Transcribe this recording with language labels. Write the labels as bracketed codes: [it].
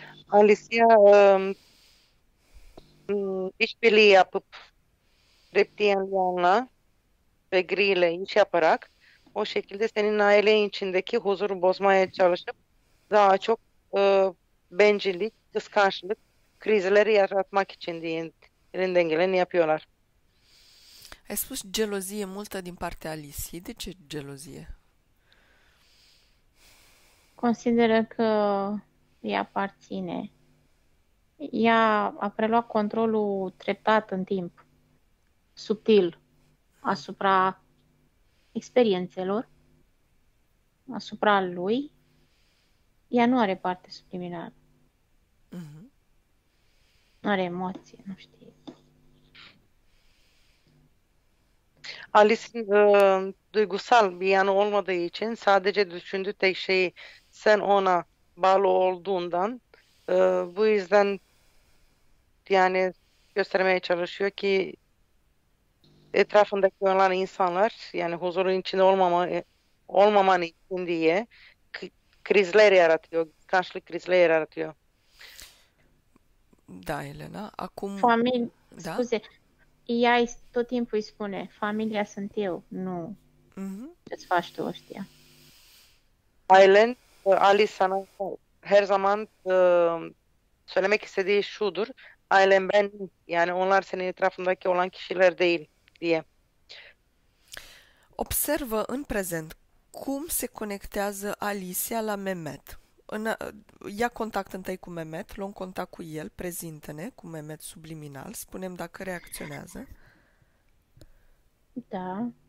[tr] Alicia işbirliği yapıp reptilianla ve griyle iş yaparak O şekilde senin ailen içindeki huzuru bozmaya çalışıp daha çok bencillik, kıskançlık krizleri yaratmak için diye elinden geleni yapıyorlar. [ro] Ai spus gelozie multă din partea Alisiei. De ce gelozie? Consideră că îi aparține. Ea a preluat controlul treptat în timp, subtil, asupra experiențelor, asupra lui. Ea nu are parte subliminală. Nu are emoție, nu știe. Alice duygusal bir yanı olmadığı için sadece düşündüğü tek şeyi sen ona bağlı olduğundan bu yüzden yani göstermeye çalışıyor ki etrafındaki olan insanlar yani huzurun içinde olmaman için diye krizler yaratıyor, karşılık krizler yaratıyor. Da, Elena. Acum, Familie, da? scuze, ea tot timpul îi spune, familia sunt eu, nu. Ce-ți faci tu ăștia? [tr] Aylin, Ali sana her zaman söylemek istediği şudur. Ailem ben, yani onlar senin etrafındaki olan kişiler değil diye. [ro] Observă în prezent cum se conectează Alicia la Mehmet. Ia contact întâi cu Mehmet, luăm contact cu el, prezintă-ne cu Mehmet subliminal, spunem dacă reacționează. Da.